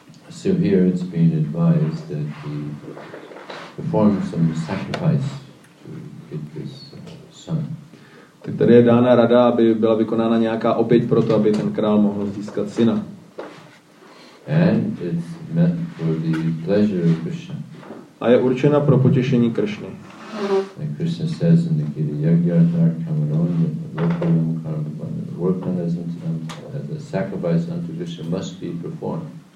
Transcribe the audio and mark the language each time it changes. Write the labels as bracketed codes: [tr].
[en] So here it's been advised that he perform some sacrifice to get this son. [cs] Tak tady je dána rada, aby byla vykonána nějaká oběť pro to, aby ten král mohl získat syna. [en] And it's meant for the pleasure of Krishna. [cs] A je určena pro potěšení Krishny. [en] Like Krishna says in the Gita, [sa] Yagyatarkam Lokayam Karmabandha, [en] the work done as a sacrifice unto Krishna must be performed.